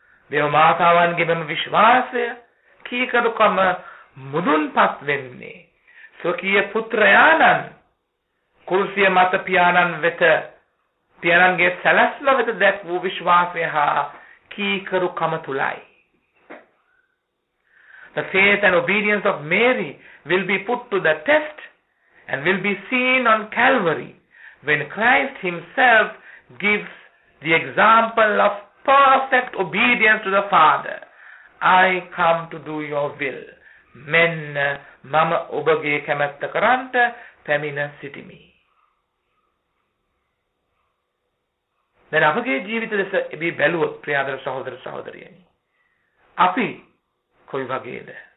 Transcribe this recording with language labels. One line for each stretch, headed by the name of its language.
Sinhala: දේව මාතාවන්ගේ මෙම විශ්වාසය කීකරුකම මුදුන්පත් වෙන්නේ ස්වකීය පුත්‍රයාණන් කුරුසිය මත පියාණන් වෙත, පියාණන්ගේ සැලැස්ම වෙත දැක් වූ විශ්වාසය හා කීකරුකම තුලයි.
English: The faith and obedience of Mary will be put to the test and will be seen on Calvary when Christ himself gives the example of perfect obedience to the Father. I come to do your will.
Sinhala: මෙන්න මම ඔබගේ කැමැත්ත කරන්ට පැමිණ සිටිමි. දැන් අපගේ ජීවිත දෙස එබී බැලුවොත් ප්‍රියදර සහෝදර සහෝදරියනි, අපි කොයි වගේද?